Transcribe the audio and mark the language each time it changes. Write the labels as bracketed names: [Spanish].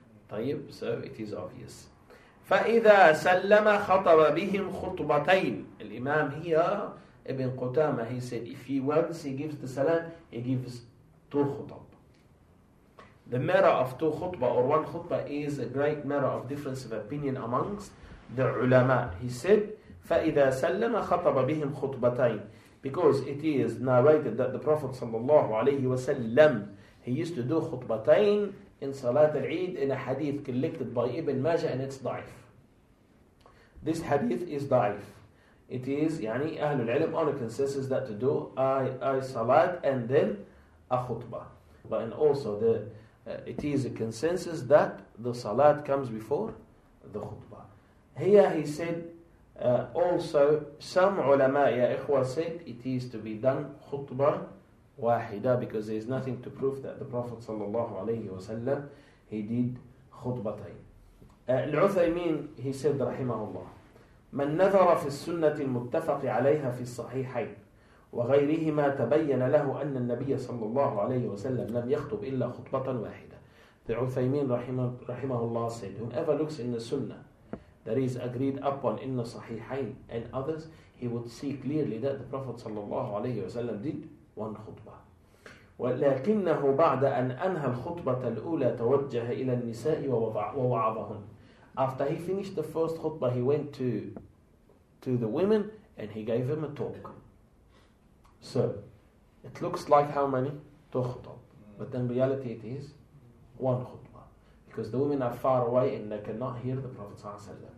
[Arabic] طيب. [English] So it is obvious. [Arabic] فإذا سلم خطب بهم خطبتين. [English] الإمام here, Ibn Qutama, he said, if he once he gives the salam, he gives two khutab. The matter of two khutbah or one khutbah is a great matter of difference of opinion amongst the ulama. He said, [Arabic] فإذا سلم خطب بهم خطبتين. [English] Because it is narrated that the Prophet sallallahu alayhi wa sallam, he used to do khutbatain in Salat al-Eid, in a hadith collected by Ibn Majah, and it's da'if. This hadith is da'if. It is, يعني, Ahlul Ilm only consensus that to do a Salat and then a khutbah. But and also, it is a consensus that the Salat comes before the khutbah. Here he said, also, some ulama, ya ikhwa, said it is to be done khutbah واحدة, because there is nothing to prove that the Prophet sallallahu alayhi wa sallam, he did khutbatayn. Al-Uthaymeen, he said, rahimahullah, [Arabic] من نظر في السنة المتفق عليها في الصحيحين وغيرهما تبين له أن النبي صلى الله عليه وسلم لم يخطب إلا خطبة واحدة. [English] The Uthaymeen rahimahullah said, whoever looks in the sunnah that is agreed upon in the صحيحين and others, he would see clearly that the Prophet [Arabic] صلى الله عليه وسلم [English] did one خطبة. [Arabic] ولكنه بعد أن أنهى الخطبة الأولى توجه إلى النساء ووعظهن. [English] After he finished the first khutbah, he went to the women and he gave them a talk. So, it looks like how many? Two khutbah. But in reality it is one khutbah. Because the women are far away and they cannot hear the Prophet ﷺ.